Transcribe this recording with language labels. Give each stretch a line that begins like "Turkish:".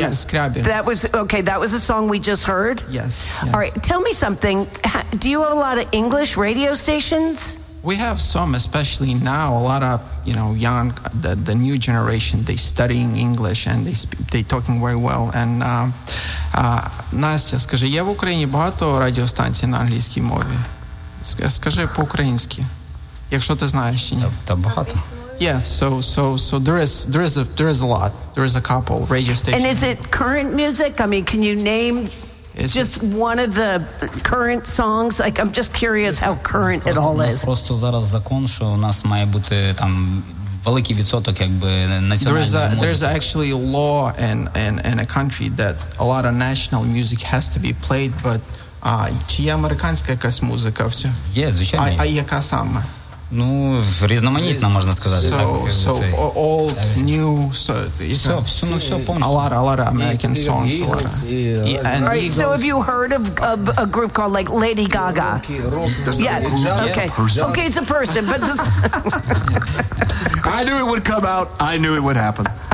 English: Yes, Scrubbing. That was, okay, that was a song we just heard? Yes. All right, tell me something. Do you have a lot of English radio stations? We have some, especially now. A lot of, you know, young, the new generation, they studying English and they talking very well.
Ukrainian: And Настя, скажи, є в Україні багато радіостанцій на англійській мові? Скажи по-українськи, якщо ти знаєш чи ні. Та багато.
English: Yeah, so there is a lot. There is a couple radio stations. And is it current music? I mean, can you name one of the current songs? Like, I'm just curious how current it all is.
Ukrainian: Просто зараз закон, що у нас має бути там великий відсоток, якби національної музики.
English: There's actually a law in a country that a lot of national music has to be played, but
Ukrainian: чи є американська якась музика все? Є, звичайно. А яка саме? Ну, різноманітна, можна сказати.
English: So all new, so it's a lot of American songs. Right, so have you heard of a group called like Lady Gaga? Yes. Okay, it's a person, but I knew it would come out. I knew it would happen.